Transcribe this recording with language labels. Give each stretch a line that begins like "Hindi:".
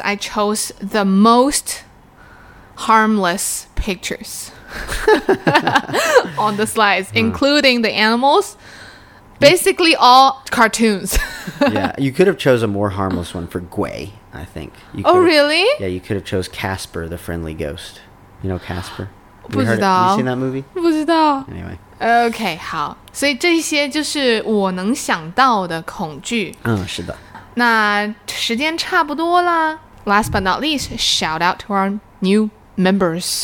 English: I chose the most harmless pictures on the slides, including the animals. Basically, all cartoons. Yeah, you could have chosen a more harmless one for Gui, I think. Oh, really? Yeah, you could have chose Casper, the friendly ghost. You know Casper?
Chinese: 不知道。
English: Have you seen that movie?
Chinese: 不知道。
English: Anyway. Okay, 好。
Chinese: 所以这些就是我能想到的恐惧。是的。那时间差不多了。
English: Last but not least, shout out to our new members.